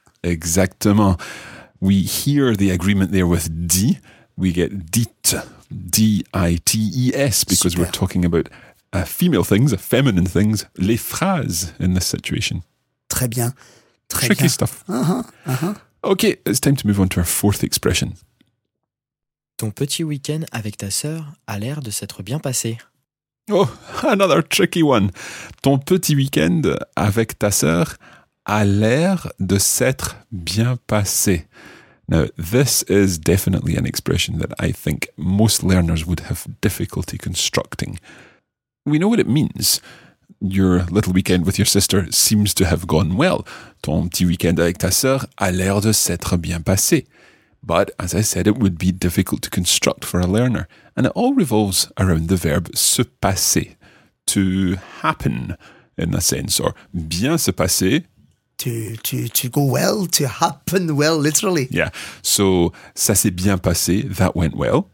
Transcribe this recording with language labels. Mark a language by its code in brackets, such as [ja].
[fr] Exactement. [en] We hear the agreement there with dit. We get dites, D-I-T-E-S, because Super. We're talking about female things, feminine things, les phrases in this situation. [fr] Très bien. Très [en] tricky [fr] bien. [en] Stuff. Okay, it's time to move on to our fourth expression. [fr] Ton petit week-end avec ta sœur a l'air de s'être bien passé. [en] Oh, another tricky one. [fr] Ton petit week-end avec ta sœur a l'air de s'être bien passé. [en] Now, this is definitely an expression that I think most learners would have difficulty constructing. We know what it means. Your little weekend with your sister seems to have gone well. [fr] Ton petit week-end avec ta sœur a l'air de s'être bien passé. [en] But, as I said, it would be difficult to construct for a learner. And it all revolves around the verb se passer, to happen, in a sense, or bien se passer. To go well, to happen well, literally. Yeah, so [fr] ça s'est bien passé, [en] that went well.